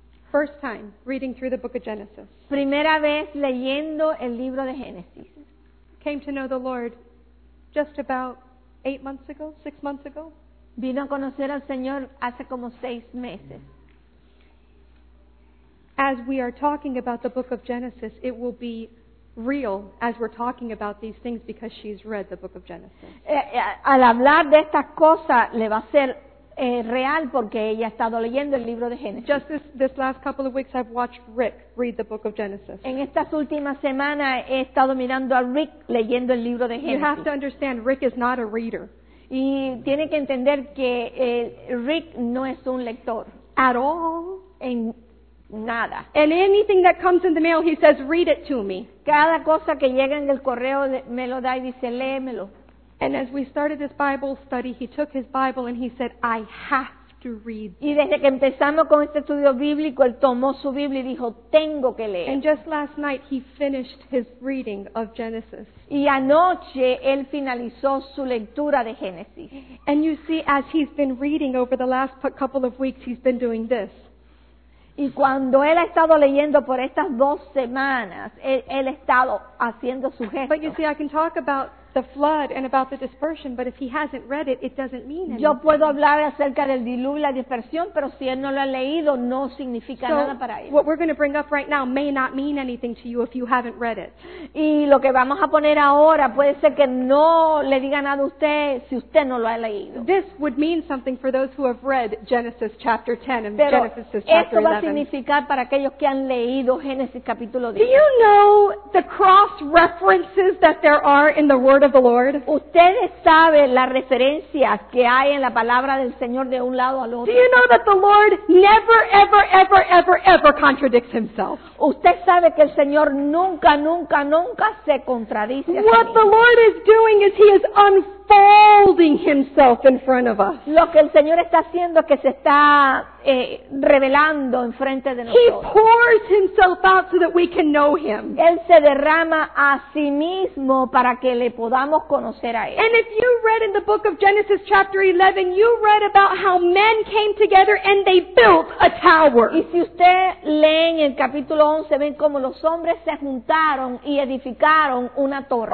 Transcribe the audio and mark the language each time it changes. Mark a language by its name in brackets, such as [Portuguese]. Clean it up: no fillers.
[English] First time reading through the book of Genesis. [Spanish] Primera vez leyendo el libro de Génesis. [English] Came to know the Lord just about 8 months ago, 6 months ago. [Spanish] Vino a conocer al Señor hace como 6 meses. [English] As we are talking about the book of Genesis, it will be real as we're talking about these things because she's read the book of Genesis. [Spanish] Al hablar de estas cosas le va a ser real porque ella ha estado leyendo el libro de Génesis. [English] Just this last couple of weeks I've watched Rick read the book of Genesis. [Spanish] En estas últimas semanas he estado mirando a Rick leyendo el libro de Génesis. [English] You have to understand Rick is not a reader. [Spanish] Y tiene que entender que Rick no es un lector. [English] At all. [Spanish] En nada. [English] And anything that comes in the mail he says read it to me. [Spanish] Cada cosa que llega en el correo me lo da y dice léemelo. [English] And as we started this Bible study, he took his Bible and he said, I have to read this. [Spanish] Y desde que empezamos con este estudio bíblico, él tomó su Biblia y dijo, tengo que leer. [English] And just last night, he finished his reading of Genesis. [Spanish] Y anoche, él finalizó su lectura de Génesis. [English] And you see, as he's been reading over the last couple of weeks, he's been doing this. [Spanish] Y cuando él ha estado leyendo por estas 2 semanas, él ha estado haciendo su gesto. [English] But you see, I can talk about the flood and about the dispersion, but if he hasn't read it, it doesn't mean anything. [Spanish] Yo puedo hablar acerca del diluvio y la dispersión, pero si él no lo ha leído, no significa [English] so, [Spanish] nada para él. [English] What we're going to bring up right now may not mean anything to you if you haven't read it. [Spanish] Y lo que vamos a poner ahora puede ser que no le diga nada a usted si usted no lo ha leído. [English] This would mean something for those who have read Genesis chapter 10 and [Spanish] pero [English] Genesis chapter 11. [Spanish] Esto va a significar para aquellos que han leído Génesis capítulo 10. [English] Do you know the cross references that there are in the Word of the Lord? [Spanish] ¿Ustedes saben las referencias que hay en la palabra del Señor de un lado al otro? [English] Do you know that the Lord never, ever, ever, ever, ever contradicts himself? [Spanish] ¿Usted sabe que el Señor nunca, nunca, nunca se contradice? [English] What the Lord is doing is he is unfolding himself in front of us. [Spanish] Lo que el Señor está haciendo es que se está revelando en frente de nosotros. [English] He pours himself out so that we can know him. [Spanish] Él se derrama a sí mismo para que le podamos conocer a él. [English] And if you read in the book of Genesis chapter 11, you read about how men came together and they built a tower. [Spanish] Y si usted lee en el capítulo 11, ven cómo los hombres se juntaron y edificaron una torre.